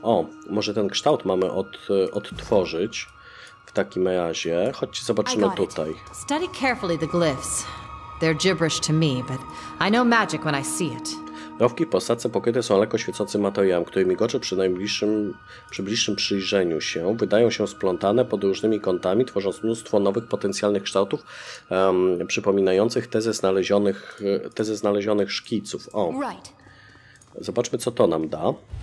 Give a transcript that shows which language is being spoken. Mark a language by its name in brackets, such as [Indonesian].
[Polish] O, może ten kształt mamy odtworzyć w takim razie. Chodźcie, zobaczymy tutaj. [English] Study carefully the glyphs. They're gibberish to me, but I know magic when I see it. [Polish] Rowki w posadce pokryte są lekko świecącym materiałem, który migocze przy bliższym przyjrzeniu się. Wydają się splątane pod różnymi kątami, tworząc mnóstwo nowych potencjalnych kształtów, przypominających te ze znalezionych szkiców. O, zobaczmy, co to nam da.